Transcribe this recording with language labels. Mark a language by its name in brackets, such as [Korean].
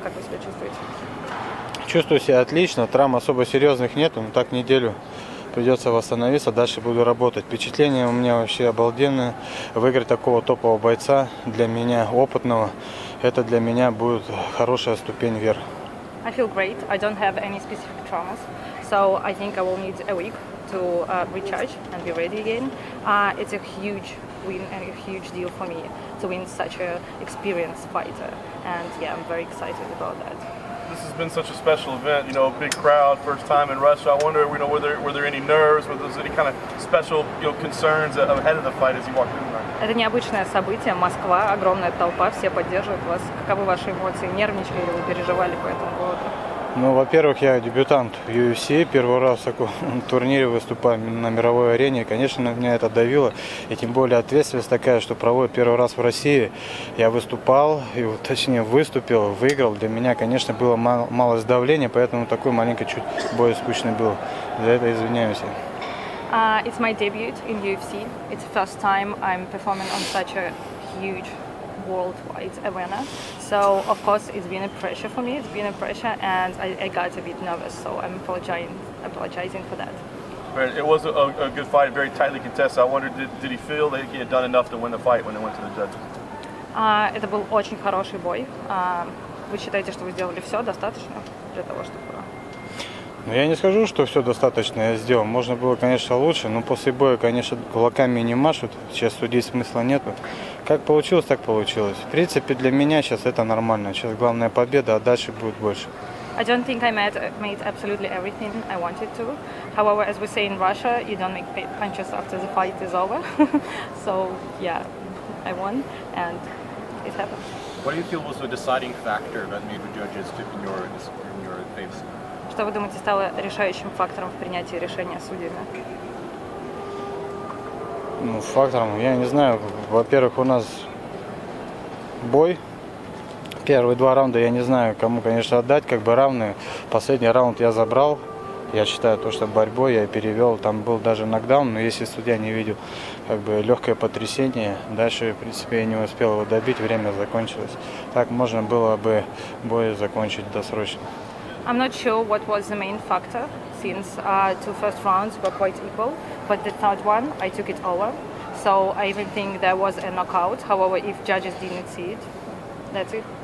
[Russian] Как вы себя чувствуете? Чувствую себя отлично, травм особо серьезных нет, но так неделю придется восстановиться, дальше буду работать. Впечатление у меня вообще обалденное. Выиграть такого топового бойца, для меня опытного, это для меня будет хорошая ступень вверх. [English] I feel great, I don't have any specific traumas, so I think I will need a week to recharge and be ready again. It's a huge win and a huge deal for me to win such an experienced fighter. And yeah, I'm very excited about that. This has been such a special event, you know, big crowd, first time in Russia. I wonder, you know, were there any nerves, were there any kind of special, you know, concerns ahead of the fight as you walked in there? [Russian] Это необычное событие, Москва, огромная толпа, все поддерживают вас. Каковы ваши эмоции, нервничали или переживали по этому поводу? Ну, во-первых, я дебютант в UFC, первый раз в таком турнире выступаю на мировой арене. Конечно, меня это давило, и тем более ответственность такая, что проводят первый раз в России. Я выступал, и вот, точнее, выступил, выиграл. Для меня, конечно, было малость давления, поэтому такой маленький чуть более скучный был. За это извиняюсь. [English] It's my debut in UFC. It's the first time I'm performing on such a huge worldwide arena. So of course it's been a pressure for me, it's been a pressure, and I got a bit nervous, so I'm apologizing for that. Right. It was a good fight, very tightly contested. I wondered, did he feel that he had done enough to win the fight when it went to the judges? [Russian] Это был очень хороший бой. Вы считаете, что вы сделали все достаточно для того, чтобы... Ну, я не скажу, что все достаточно я сделал. Можно было, конечно, лучше, но после боя, конечно, кулаками не машут. Сейчас судить смысла нету. Как получилось, так получилось. В принципе, для меня сейчас это нормально. Сейчас главная победа, а дальше будет больше. [English] I don't think I made absolutely everything I wanted to. However, as we say in Russia, you don't make punches after the fight is over. So, yeah, I won, and it happened. What do you feel was the deciding factor that made the judges tip in your face? [Russian] Что вы думаете стало решающим фактором в принятии решения судьями? Ну, фактором, я не знаю. Во-первых, у нас бой. Первые два раунда я не знаю, кому, конечно, отдать, как бы равные. Последний раунд я забрал. Я считаю, то, что борьбой я перевел. Там был даже нокдаун, но если судья не видел, как бы легкое потрясение. Дальше, в принципе, я не успел его добить, время закончилось. Так можно было бы бой закончить досрочно. [English] I'm not sure what was the main factor, since two first rounds were quite equal, but the third one, I took it over, so I even think there was a knockout, however, if judges didn't see it, that's it.